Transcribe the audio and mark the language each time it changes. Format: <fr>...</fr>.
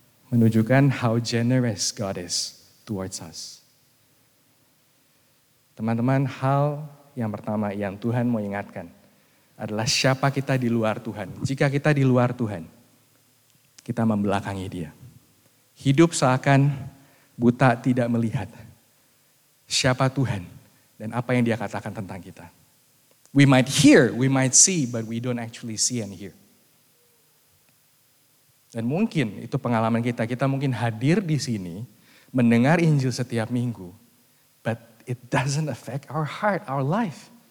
<en>Menunjukkan how generous God is towards us.</en> <id>Teman-teman, hal yang pertama yang Tuhan mau ingatkan adalah siapa kita di luar Tuhan. Jika kita di luar Tuhan, kita membelakangi Dia. Hidup seakan buta tidak melihat siapa Tuhan dan apa yang Dia katakan tentang kita.</id> <en>We might hear, we might see, but we don't actually see and hear.</en> <id>Dan mungkin itu pengalaman kita. Kita mungkin hadir di sini, mendengar Injil setiap minggu,</id> <en>but it doesn't affect our heart, our life.</en>